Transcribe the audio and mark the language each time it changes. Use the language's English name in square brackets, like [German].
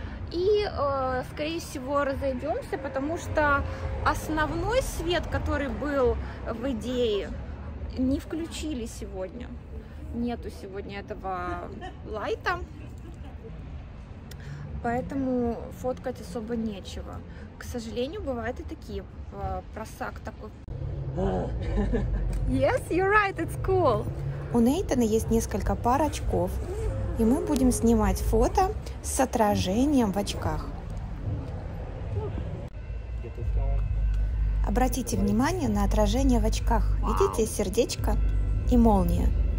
[Russian] И, скорее всего, разойдемся, потому что основной свет, который был в идее, не включили сегодня. Нету сегодня этого лайта, поэтому фоткать особо нечего. К сожалению, бывают и такие, просак такой. [English] Yes, you're right, it's cool. [Russian] У Нейтана есть несколько пар очков. И мы будем снимать фото с отражением в очках. Обратите внимание на отражение в очках. Видите сердечко и молния?